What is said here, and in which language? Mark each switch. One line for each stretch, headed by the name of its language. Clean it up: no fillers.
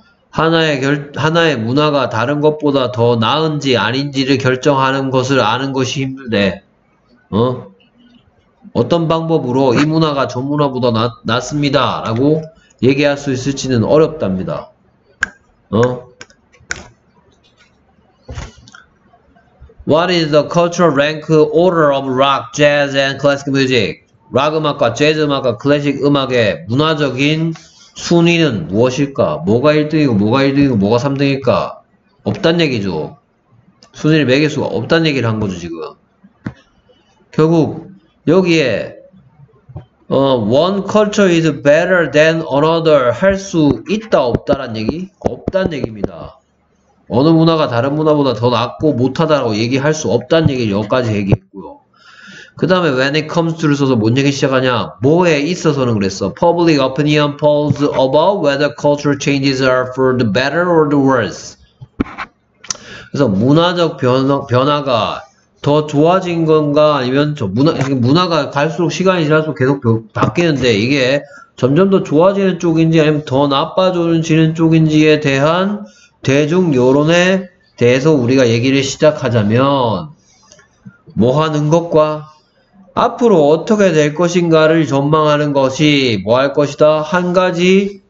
Korean: 하나의 문화가 다른 것보다 더 나은지 아닌지를 결정하는 것을 아는 것이 힘들대. 어? 어떤 방법으로 이 문화가 저 문화보다 낫습니다 라고 얘기할 수 있을지는 어렵답니다. 어?
English: What is the cultural rank order of rock, jazz and classic music?
Korean: 락 음악과 재즈 음악과 클래식 음악의 문화적인 순위는 무엇일까? 뭐가 1등이고 뭐가 2등이고 뭐가 3등일까? 없단 얘기죠. 순위를 매길 수가 없단 얘기를 한 거죠 지금. 결국 여기에
English: one culture is better than another
Korean: 할 수 있다 없다란 얘기? 없단 얘기입니다. 어느 문화가 다른 문화보다 더 낫고 못하다라고 얘기할 수 없단 얘기를 여기까지 얘기했고요. 그 다음에
English: when it comes to
Korean: 를 써서 뭔 얘기 시작하냐? 뭐에 있어서는 그랬어.
English: Public opinion polls about whether cultural changes are for the better or the worse.
Korean: 그래서 문화적 변화가 더 좋아진 건가 아니면 저 문화가 갈수록 시간이 지날수록 계속 바뀌는데 이게 점점 더 좋아지는 쪽인지 아니면 더 나빠지는 쪽인지에 대한 대중 여론에 대해서 우리가 얘기를 시작하자면 뭐 하는 것과 앞으로 어떻게 될 것인가를 전망하는 것이 뭐 할 것이다? 한 가지